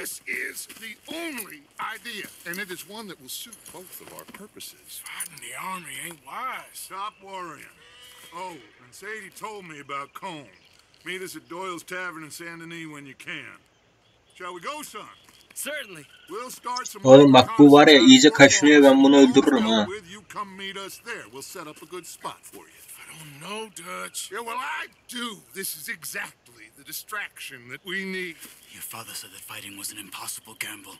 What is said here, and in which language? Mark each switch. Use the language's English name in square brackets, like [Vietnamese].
[English] This is the only idea. And it is one that will suit both of our purposes. Fighting the army ain't wise. Stop worrying. Oh, and Sadie told me about Cone. Meet us at Doyle's Tavern in Saint Denis when you can. Shall we go, son? Certainly. We'll start some. [Turkish] Oğlum bak bu var ya iyice kaşınıyor ben bunu öldürürüm ha. [English] With you come meet us there. We'll set up a good spot for you. I don't know, Dutch. Yeah, well I do. This is exactly the distraction that we need. Your father said that fighting was an impossible gamble.